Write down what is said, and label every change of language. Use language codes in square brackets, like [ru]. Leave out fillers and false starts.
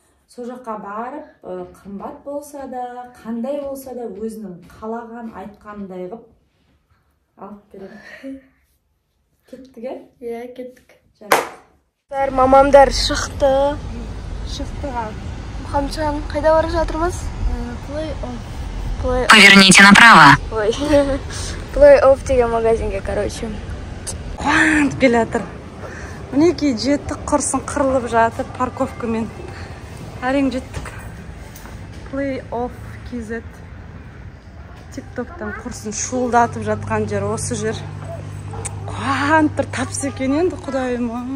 [kk] Сол жаққа барып, қымбат болса да, қандай болса да, өзінің қалаған айтқанындай қып алып берем. Кеттік, иә? Иә, кеттік. Жақсы. Мамамдар шықты. Шықтыға. Мұхамеджан, қайда бара жатырмыз? [ru] Плей-офф. Поверните направо. [kk] Плей-офф деген магазинге, короче. Қуанып келатыр. Мінекей жеттік, құрсын қырылып жатыр парковкамен. Әрең жеттік. Play-off KZ. TikTok'tan құрсын шуылдатып жатқан жер осы жер. Қуанып тұр тапсы екен енді құдайым.